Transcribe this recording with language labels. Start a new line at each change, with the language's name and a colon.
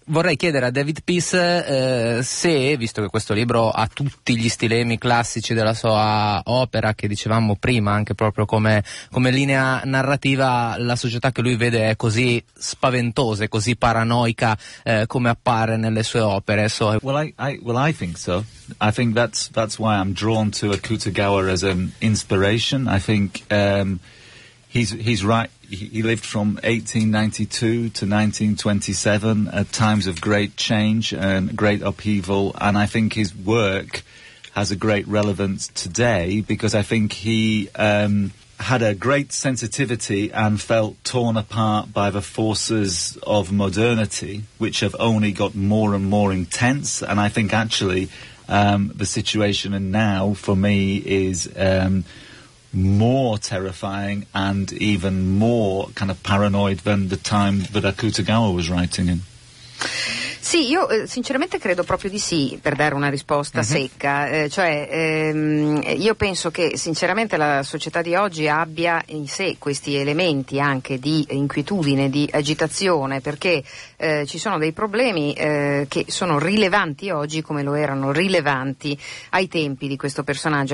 Italian: Vorrei chiedere a David Peace se, visto che questo libro ha tutti gli stilemi classici della sua opera, che dicevamo prima, anche proprio come linea narrativa, la società che lui vede è così spaventosa, così paranoica come appare nelle sue opere.
English: So I think so. I think that's why I'm drawn to Akutagawa as an inspiration. I think he's right. He lived from 1892 to 1927, at times of great change and great upheaval, and I think his work has a great relevance today, because I think he had a great sensitivity and felt torn apart by the forces of modernity, which have only got more and more intense. And I think actually the situation and now for me is more terrifying and even more kind of paranoid than the time that Akutagawa was writing in.
Italian: Sì, io sinceramente credo proprio di sì, per dare una risposta secca. Io penso che sinceramente la società di oggi abbia in sé questi elementi anche di inquietudine, di agitazione, perché ci sono dei problemi che sono rilevanti oggi come lo erano rilevanti ai tempi di questo personaggio.